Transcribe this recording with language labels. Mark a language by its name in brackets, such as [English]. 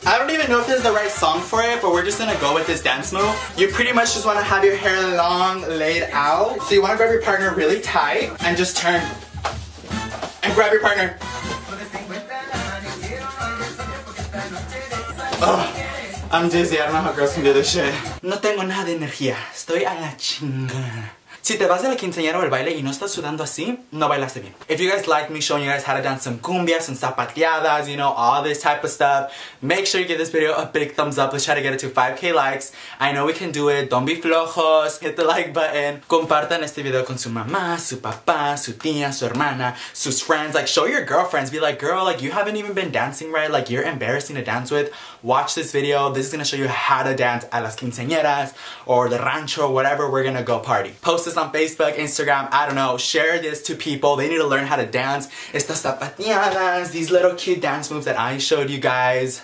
[English] I don't even know if this is the right song for it, but we're just gonna go with this dance move. You pretty much just wanna have your hair long laid out. So you wanna grab your partner really tight and just turn and grab your partner. Ugh, I'm dizzy, I don't know how girls can do this shit. [Spanish] No tengo nada de energía, estoy a la chingada. Si te vas de la quinceañera o el baile y no estás sudando así, no bailaste bien. [English] If you guys like me showing you guys how to dance some cumbias, some zapateadas, you know, all this type of stuff, make sure you give this video a big thumbs up. Let's try to get it to 5k likes. I know we can do it. Don't be flojos. Hit the like button. [Spanish] Compartan este video con su mamá, su papá, su tía, su hermana, sus friends. [English] Like, show your girlfriends. Be like, girl, like, you haven't even been dancing right. Like, you're embarrassing to dance with. Watch this video. This is going to show you how to dance [Spanish] a las quinceañeras [English] or the rancho, whatever we're going to go party. Post on Facebook, Instagram, I don't know. Share this to people. They need to learn how to dance. [Spanish] Estas zapateadas, [English] these little cute dance moves that I showed you guys.